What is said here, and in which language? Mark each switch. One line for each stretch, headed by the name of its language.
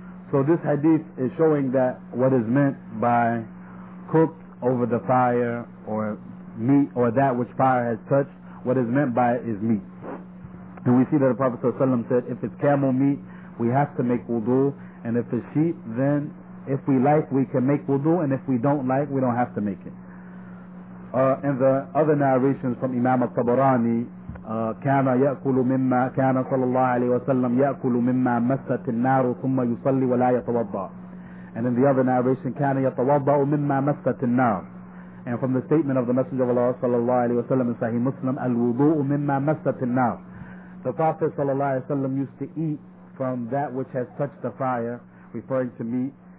English: So this hadith is showing that what is meant by cooked over the fire or meat or that which fire has touched, what is meant by it is meat. And we see that the Prophet ﷺ said, if it's camel meat, we have to make wudu, and if it's sheep, then if we like, we can make wudu, and if we don't like, we don't have to make it. And the other narrations from Imam al-Tabarani,
Arabic: كَانَ يَأْكُلُ مِمَّا كَانَ صَلَى اللَّهُ عَلَيْهِ وَسَلَّمْ يَأْكُلُ مِمَّا مَسَّتِ النَّارُ ثُمَّ يُصَلِّ وَلَا يَتَوَضَّعُ.
English: And in the other narration,
Arabic: كَانَ يَتَوَضَّعُ مِمَّا مَسَّتِ النَّارُ.
English: And from the statement of the Messenger of Allah صلى الله عليه وسلم in Sahih Muslim,
Arabic: الْوُضُوءُ مِمَّا مَسَّتِ النَّارُ.
English: The Prophet صلى الله عليه وسلم used to eat from that which has touched the fire, referring to meat.